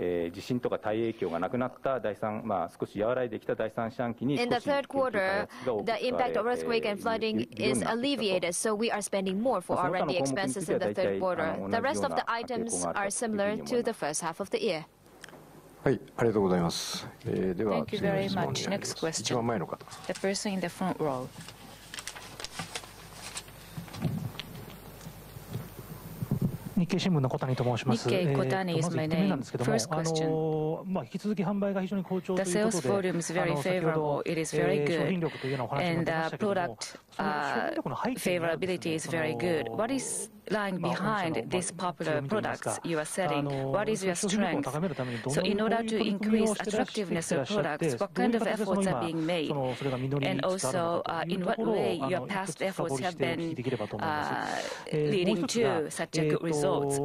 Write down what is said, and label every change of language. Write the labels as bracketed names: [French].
[Japanese] 地震とか大影響がなくなった第三、まあ、少し和らいできた第三四半期に [English] In the third quarter, the impact of earthquake and flooding is alleviated, so we are spending more for R&D expenses in the third quarter. The rest of the items are similar to the first half of the year. [Japanese] はい、ありがとうございます。では、 [English] Thank you very much. [Japanese] 次の質問になります。一番前の方。 [English] The person in the front row. [Japanese] 日経新聞の小谷と申します。日経小谷まず1点目なんですけども、まあ、引き続き販売が非常に好調ということで、先ほど、商品力というようなお話が出ましたけども、 [English] product, [Japanese] その商品力の背景にはですね、 [English] Lying behind these popular products you are selling, what is your strength? So, in order to increase attractiveness of products, what kind of efforts are being made? And also, in what way your past efforts have been leading to such a good results?